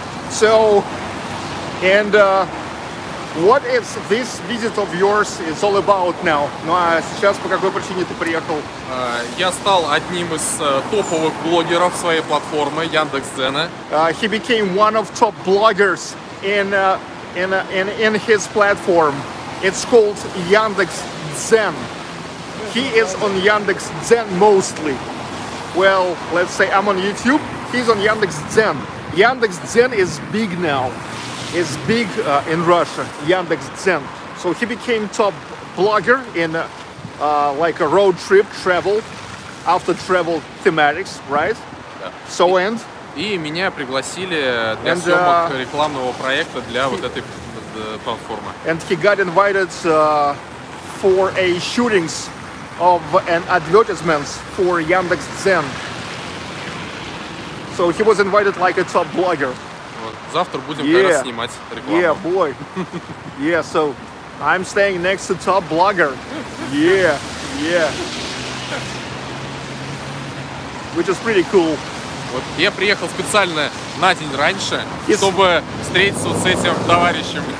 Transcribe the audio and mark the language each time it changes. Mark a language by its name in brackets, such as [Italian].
[English] So, and what is this visit of yours is all about now? [Russian] Ну а сейчас по какой причине ты приехал? Я стал одним из топовых блогеров своей платформы Яндекс.Дзена. [English] He became one of top bloggers in his platform. It's called Яндекс.Дзен. He is on Яндекс.Дзен mostly. Well, let's say I'm on YouTube. He's on Яндекс.Дзен. Яндекс.Дзен is big now. Is big in Russia, Яндекс.Дзен. So he became top blogger in like a road trip, travel, after travel thematics, right? Yeah. So and? [Russian] И меня пригласили для and, съемок рекламного проекта для вот этой платформы. [English] And he got invited for a shootings of an advertisements for Яндекс.Дзен. So he was invited like a top blogger. [Russian] Завтра будем yeah. как раз снимать рекламу. [English] Yeah, boy. Yeah, so I'm staying next to top blogger. Yeah, yeah. which is pretty cool. [Russian] Вот я приехал специально на день раньше, he's, чтобы встретиться с этим товарищем.